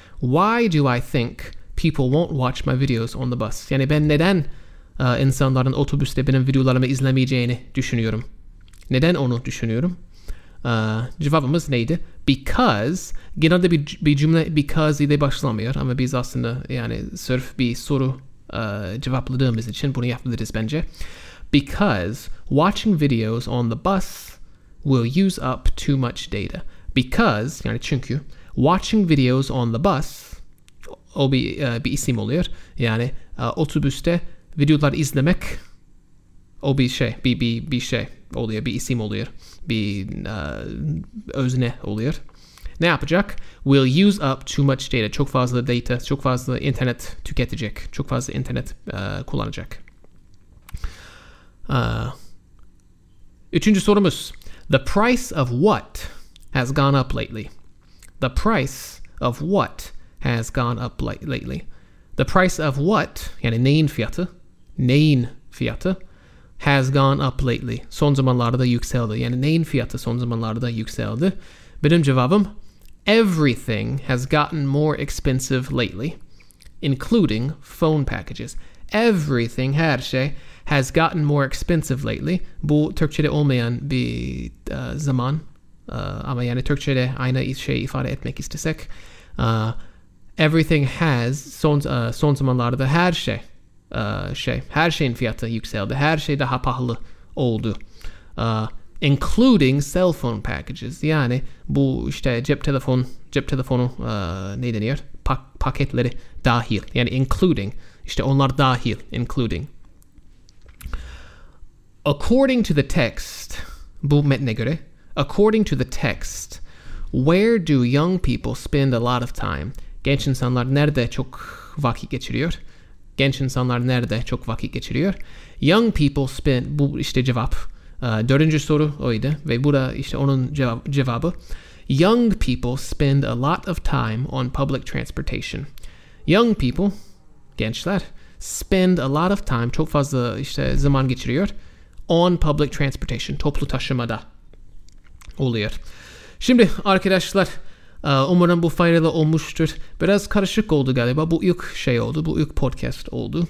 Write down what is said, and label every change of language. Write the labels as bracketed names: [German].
[English] Why do I think people won't watch my videos on the bus? [Turkish] Yani ben neden insanların otobüste benim videolarımı izlemeyeceğini düşünüyorum. Neden onu düşünüyorum? Cevabımız neydi? Because, genelde bir cümle because ile başlamıyor ama biz aslında yani sırf bir soru cevapladığımız için bunu yapabiliriz bence. [English] Because watching videos on the bus will use up too much data. [Turkish] Because, yani çünkü, [English] watching videos on the bus, [Turkish] o bir isim oluyor. Yani otobüste videolar izlemek, o bir şey, bir şey oluyor, bir isim oluyor, bir özne oluyor. Ne yapacak? [English] Will use up too much data, [Turkish] çok fazla data, çok fazla internet tüketecek, çok fazla internet kullanacak. Üçüncü sorumuz. [English] The price of what has gone up lately? The price of what has gone up lately? The price of what, [Turkish] yani neyin fiyatı, [English] has gone up lately. [Turkish] Son zamanlarda yükseldi. Yani neyin fiyatı son zamanlarda yükseldi? Benim cevabım, [English] everything has gotten more expensive lately, including phone packages. Everything, [Turkish] her şey, [English] has gotten more expensive lately. [Turkish] Bu Türkçe'de olmayan bir zaman. Ama yani Türkçe'de aynı şey ifade etmek istesek. [English] Everything has, [Turkish] son zamanlarda her şey. Her şeyin fiyatı yükseldi. Her şey daha pahalı oldu. [English] Including cell phone packages. [Turkish] Yani bu işte cep telefonu ne deniyor? Paketleri dahil. Yani including. İşte onlar dahil. Including. [English] According to the text, [Turkish] bu metne göre, [English] according to the text, where do young people spend a lot of time? [Turkish] Genç insanlar nerede çok vakit geçiriyor? Genç insanlar nerede çok vakit geçiriyor? [English] Young people spend, [Turkish] bu işte cevap. Dördüncü soru oydu ve bu da işte onun cevabı. [English] Young people spend a lot of time on public transportation. Young people, gençler, spend a lot of time, [Turkish] çok fazla işte zaman geçiriyor, [English] on public transportation, [Turkish] toplu taşımada oluyor. Şimdi arkadaşlar, umarım bu faydalı olmuştur. Biraz karışık oldu galiba. Bu ilk şey oldu. Bu ilk podcast oldu.